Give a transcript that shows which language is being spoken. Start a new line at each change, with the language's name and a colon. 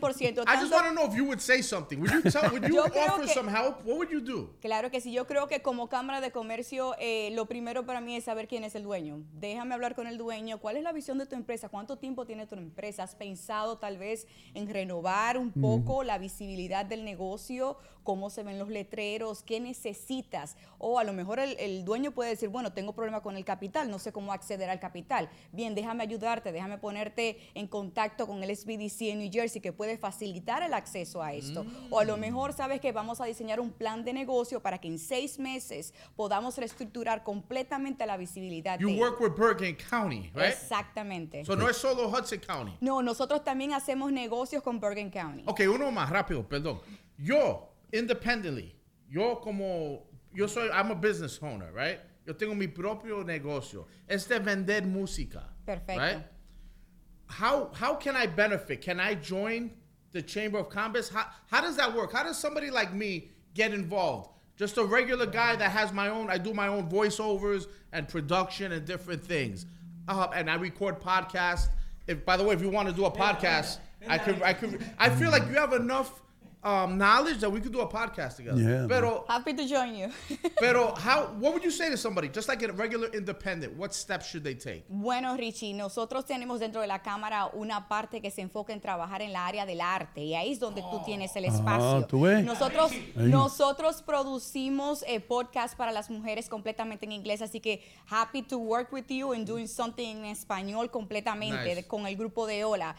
English: Tanto, I just want to know if you would say something. Would you tell, would you offer que, some help? What would you do?
Spanish: Claro que sí. Yo creo que como Cámara de Comercio, lo primero para mí es saber quién es el dueño. Déjame hablar con el dueño. ¿Cuál es la visión de tu empresa? ¿Cuánto tiempo tiene tu empresa? ¿Has pensado tal vez en renovar un poco la visibilidad del negocio? ¿Cómo se ven los letreros? ¿Qué necesitas? O a lo mejor el dueño puede decir, bueno, tengo problema con el capital, no sé cómo acceder al capital. Bien, déjame ayudarte, déjame ponerte en contacto con el SBDC en New Jersey que puede facilitar el acceso a esto. O a lo mejor sabes que vamos a diseñar un plan de negocio para que en 6 meses podamos reestructurar completamente la visibilidad.
English: You work with Bergen County, right?
Spanish: Exactamente.
English: So
Spanish: no es solo Hudson County. No, nosotros también hacemos negocios con Bergen County. Ok, uno más rápido, perdón. Yo...
English: Independently,
Spanish: yo como, yo soy,
English: I'm a business owner, right?
Spanish: Yo tengo mi propio negocio. Es de vender música. Perfecto.
English: Right? How can I benefit? Can I join the Chamber of Commerce? How does that work? How does somebody like me get involved? Just a regular guy that has my own, I do my own voiceovers and production and different things. And I record podcasts. If, by the way, if you want to do a podcast, I feel like you have enough knowledge that we could do a podcast together. Yeah,
Spanish: pero,
English: happy to join you.
Spanish: Pero
English: how? What would you say to somebody just like a regular independent? What steps should they take?
Spanish: Bueno, Richie, nosotros tenemos dentro de la cámara una parte que se enfoca en trabajar en la área del arte y ahí es donde tú tienes el espacio. ¿Tú ves? Nosotros producimos podcast para las mujeres completamente en inglés, así que
English: happy to work with you in doing something
Spanish: en español completamente con el grupo de Hola.